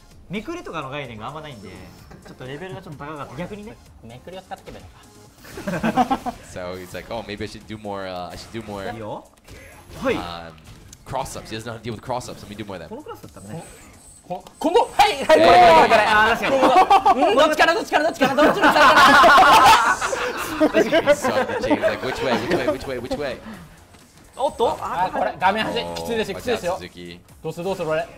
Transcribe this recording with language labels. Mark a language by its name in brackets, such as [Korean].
[Japanese] めくれとかの概念があんまないんで、ちょっとレベルがちょっと高かった。逆にね、めくりを使ってけばいいのか。 [English] So he's like, oh, maybe I should do more. [Japanese] いいよ。はい。 [English] Cross ups. He doesn't know how to deal with cross ups. Let me do more of them. [Japanese] このクラスだったらね。この、はいはい、これこれこれ。ああ、確かに。どっちから。 [English] He's like, which way? [Japanese] おっと、これ画面端きついですよ、きついですよ。どうするこれ。